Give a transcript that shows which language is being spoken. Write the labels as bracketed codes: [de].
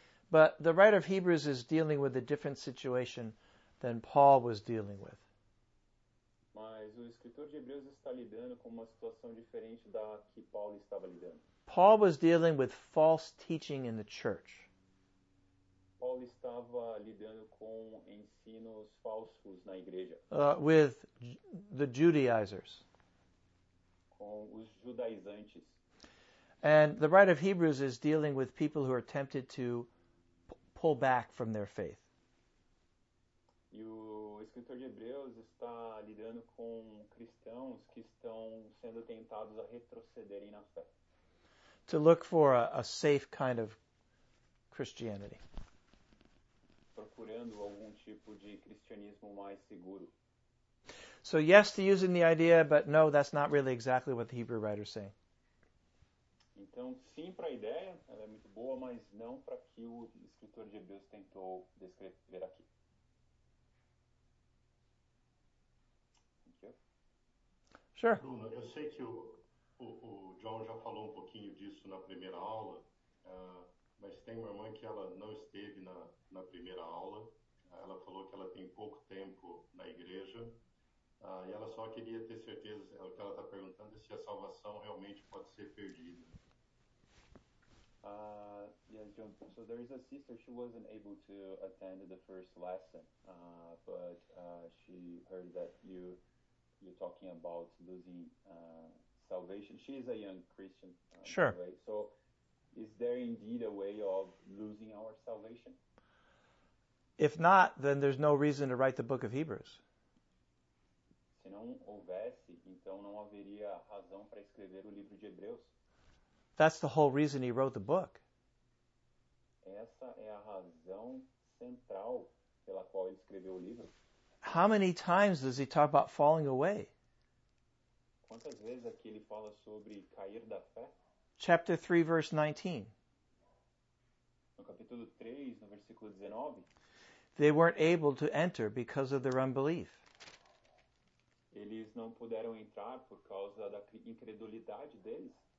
[en] But the writer of Hebrews is dealing with a different situation than Paul was dealing with. [pt] Mas o escritor de Hebreus está lidando com uma situação diferente da que Paulo estava lidando. [en] Paul was dealing with false teaching in the church. [pt] Paulo estava lidando com ensinos falsos na igreja. [en] With the Judaizers. [pt] Com os judaizantes. [en] And the writer of Hebrews is dealing with people who are tempted to pull back from their faith. [pt] E o escritor de Hebreus está lidando com cristãos que estão sendo tentados a retrocederem na fé. [en] To look for a safe kind of Christianity. [pt] Procurando algum tipo de cristianismo mais seguro. [en] So yes to using the idea, but no, that's not really exactly what the Hebrew writer is saying. [pt] Então, sim para a ideia, ela é muito boa, mas não para o que o escritor de Hebreus tentou descrever aqui. [en] Sure. [pt] Bruno, eu sei que o John já falou um pouquinho disso na primeira aula, mas tem uma irmã que ela não esteve na primeira aula. Ela falou que ela tem pouco tempo na igreja. E ela só queria ter certeza, o que ela está perguntando é se a salvação realmente pode ser perdida. [en] Yes, John. So there is a sister, she wasn't able to attend the first lesson, but she heard that you're talking about losing salvation. She is a young Christian. Sure. Right? So is there indeed a way of losing our salvation? If not, then there's no reason to write the book of Hebrews. [pt] Se não houvesse, então não haveria razão para escrever o livro de Hebreus. [en] That's the whole reason he wrote the book. [pt] Essa é a razão central pela qual ele escreveu o livro. [en] How many times does he talk about falling away? [pt] Quantas vezes aqui ele fala sobre cair da fé? [en] Chapter 3, verse 19. [pt] No capítulo 3, no versículo 19. [en] They weren't able to enter because of their unbelief. [pt] Eles não puderam entrar por causa da incredulidade deles.